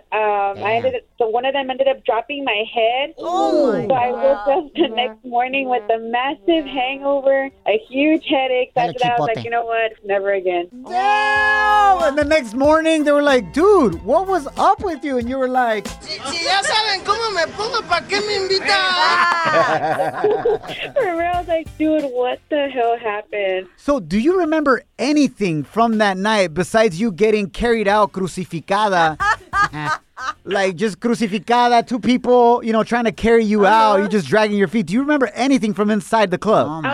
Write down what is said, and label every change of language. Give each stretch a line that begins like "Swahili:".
English: One of them ended up dropping my head. Oh my God. I woke up the next morning with a massive hangover, a huge headache. After that, I was like, you know what? Never again. Damn! And the next morning, they were like, dude, what was up with you? And you were like...
Spanish: Si ya saben cómo me pongo, ¿para qué me invitan?
English: For real, I was like, dude, what the hell happened? So do you remember anything from that night besides you getting carried out, crucificada? Like just crucificada, two people, you know, trying to carry you out. You're just dragging your feet. Do you remember anything from inside the club?